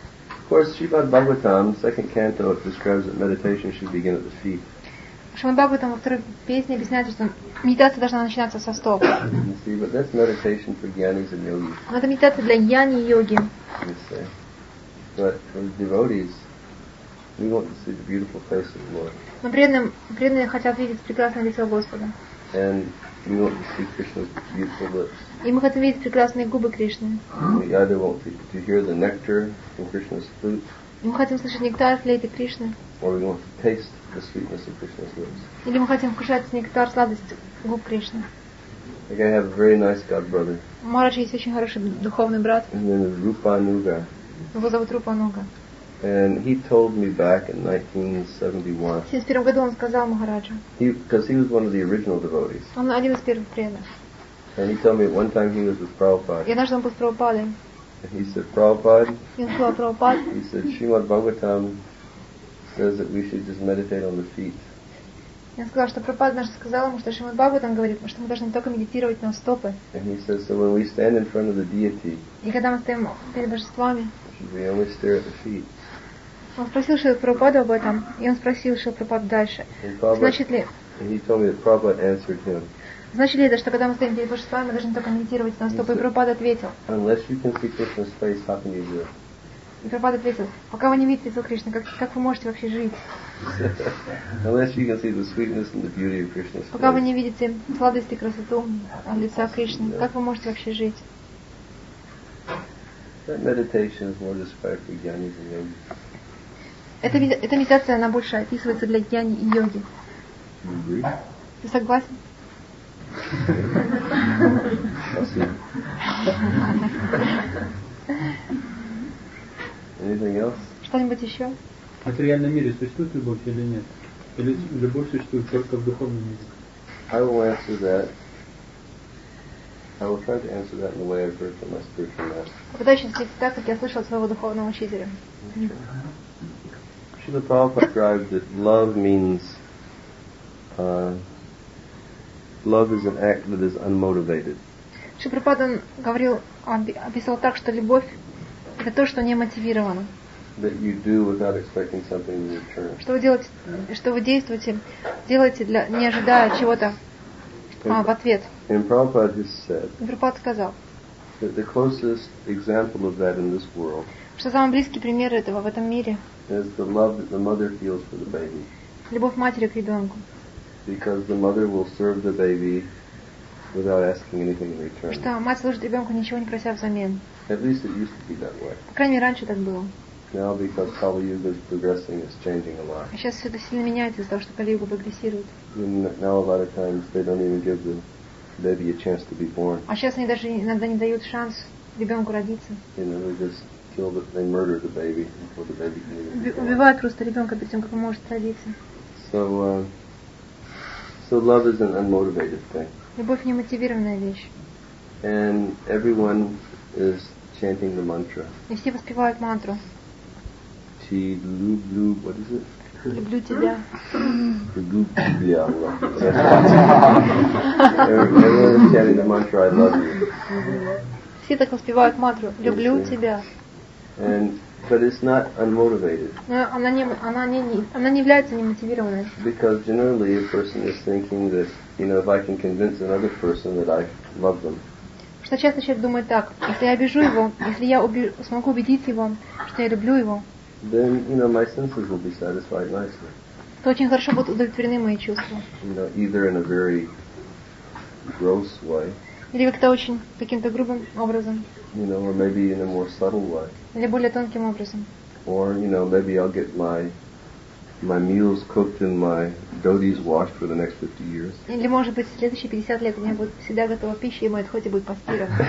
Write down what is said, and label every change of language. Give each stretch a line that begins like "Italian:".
English: Of course, Srimad Bhagavatam, second canto, it describes that meditation should begin at the feet.
Russian: Шримад Бхагаватам во второй песне объясняет, что медитация должна начинаться со стоп.
English: See, but that's meditation for gyanis and yogis.
Russian: Это медитация для гьяни и йоги.
English: But for the devotees, we want to see the beautiful face of the Lord.
Russian: Но преданные хотят видеть прекрасное лицо Господа.
English: And we want to see Krishna's beautiful lips.
Russian: И мы хотим видеть прекрасные губы Кришны.
English: We either want to hear the nectar from Krishna's flute.
Russian: И мы хотим слышать нектар флейты Кришны.
English: Or we want to taste the sweetness of Krishna's lips.
Russian: Или мы хотим вкушать нектар сладости губ Кришны.
English: Like I have a very nice god brother.
Russian: Махарадж есть очень хороший духовный брат.
English: His name is Rupa Anuga.
Russian: Его зовут Рупа Нуга.
English: And he told me back in 1971.
Russian: В 71 году он сказал Махараджу.
English: Because he was one of the original devotees.
Russian: Он один из первых преданных.
English: And he told me one time he was with Prabhupada.
Russian: И однажды он был с Прабхупадой.
English: And he said, Prabhupada.
Russian: И он сказал Прабхупаде.
English: He said, Srimad Bhagavatam says that we should just meditate on the feet.
Russian: Я сказала, что Прабхупада однажды сказал ему, что Шримад Бхагаватам говорит, что мы должны только медитировать на стопы.
English: And he says, so when we stand in front of the deity.
Russian: И когда мы стоим перед божествами.
English: We only stare at the feet.
Russian: Он спросил Шрилу Прабхупаду об этом, и он спросил Шрилу Прабхупаду дальше. Значит ли?
English: And he told me that Prabhupada answered him.
Russian: Значит ли это, что когда мы стоим перед божествами, мы должны только медитировать на стопы? И Прабхупада ответил.
English: Unless you can see Krishna's face, how can you do it?
Russian: И Прабхупада ответил, пока вы не видите лицо Кришны, как вы можете вообще жить?
English: Unless you can see the sweetness and the beauty of Krishna's face.
Russian: Пока вы не видите сладость и красоту лица Кришны, как вы можете вообще жить?
English: That meditation is more described for gyanis and yogis.
Russian: Эта медитация, она больше описывается для гьяни и йоги. Mm-hmm. Ты согласен?
English: Anything else?
Russian: Что-нибудь еще? материальном мире существует любовь или нет? Или любовь существует только в духовном мире?
English: I will answer that. I will try to answer that in the way I've heard from my spiritual master.
Russian: Когда ответить так, как я слышал своего духовного учителя.
English: Шрила Прабхупада describes that love means love is an act that is unmotivated.
Russian: Шрила Прабхупада говорил, описывал так, что любовь это то, что не мотивировано.
English: That you do without expecting something in return. Что вы делаете, что вы действуете, делаете для не ожидая чего-то.
Russian: В ответ.
English: And Prabhupada has said.
Russian: Прабхупад сказал.
English: That the closest example of that in this world.
Russian: Что самый близкий пример этого в этом мире.
English: Is the love that the mother feels for the baby.
Russian: Любовь матери к ребенку.
English: Because the mother will serve the baby without asking anything in return.
Russian: Что мать служит ребенку ничего не прося взамен.
English: At least it used to be that way.
Russian: По крайней мере раньше так было.
English: Now because Kali Yuga is progressing, it's changing a lot.
Russian: Сейчас все это сильно меняется из-за того, что Кали-Юга прогрессирует.
English: Now a lot of times they don't even give the baby a chance to be born.
Russian: А сейчас они даже иногда не дают шанс ребенку родиться.
English: You know, they just kill the, they murder the baby before the baby can even be born.
Russian: Убивают просто ребенка перед тем, как он может родиться.
English: So love is an unmotivated thing.
Russian: Любовь не мотивированная вещь.
English: And everyone is chanting the mantra.
Russian: И все воспевают мантру. Люблю,
English: what is it?
Russian: Люблю тебя. Люблю тебя, Аллах.
English: Everyone is chanting the mantra, I love you.
Russian: Все так воспевают мантру, люблю тебя.
English: And, but it's not unmotivated.
Russian: Она не является немотивированной.
English: Because generally a person is thinking that, you know, if I can convince another person that I love them.
Russian: Что часто человек думает так, если я обижу его, если я смогу убедить его, что я люблю его,
English: then, you know, my senses will be satisfied nicely.
Russian: То очень хорошо будут удовлетворены мои чувства.
English: You know, either in a very gross way.
Russian: Или как-то очень каким-то грубым образом.
English: You know, or maybe in a more subtle way.
Russian: Или более тонким образом.
English: Or, you know, maybe I'll get my meals cooked and my dhotis washed for the next 50 years.
Russian: Или, может быть, следующие 50 лет у меня будет всегда готова пища и мой дхоти будет постиран.